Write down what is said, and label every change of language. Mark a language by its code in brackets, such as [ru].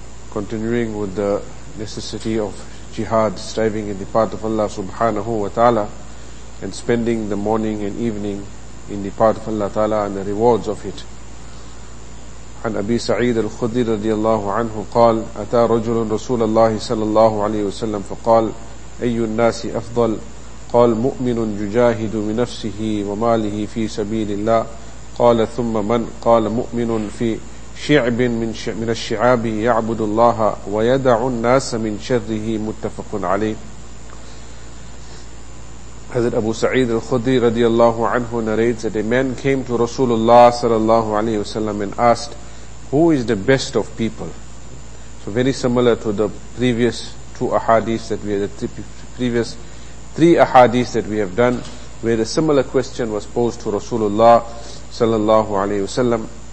[en] Continuing with the necessity of jihad, striving in the path of Allah subhanahu wa ta'ala, and spending the morning and evening in the path of Allah ta'ala and the rewards of it. [ar] عن أبي سعيد الخدري رضي الله عنه قال أتى رجل رسول الله صلى الله عليه وسلم فقال أي الناس أفضل؟ قال مؤمن يجاهد بنفسه وماله في سبيل الله. قال ثم من؟ قال مؤمن في شعب من الشعاب يعبد الله ويدع الناس من شره. متفق عليه. [en] Hazrat Abu Sa'id al-Khudri radiyallahu anhu narrates that a man came to Rasulullah sallallahu alayhi wa sallam and asked, who is the best of people? So very similar to the previous two ahadith that we had, the previous three ahadith that we have done, where a similar question was posed to Rasulullah sallallahu alayhi wa sallam.